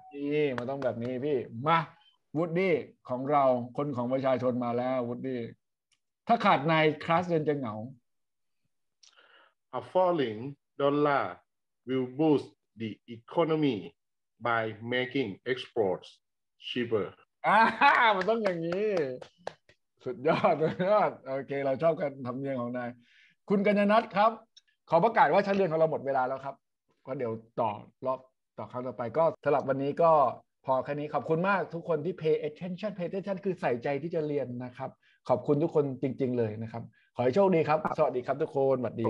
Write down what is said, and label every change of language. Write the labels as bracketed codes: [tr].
[th] นี่มันต้องแบบนี้พี่มาวูดดี้ของเราคนของประชาชนมาแล้ววูดดี้ถ้าขาดในคลาสเรียนจะเหงา [en] a falling dollarwill boost the economy by making exports cheaper [th] มันต้องอย่างนี้สุดยอดยอดโอเคเราชอบการทำเนียงของนายคุณกัญญนัทครับขอประกาศว่าชั้นเรียนของเราหมดเวลาแล้วครับก็เดี๋ยวต่อรอบต่อครั้งต่อไปก็สำหรับวันนี้ก็พอแค่นี้ขอบคุณมากทุกคนที่ [en] pay attention [th] คือใส่ใจที่จะเรียนนะครับขอบคุณทุกคนจริงๆเลยนะครับขอให้โชคดีครับสวัสดีครับทุกคนสวัสดี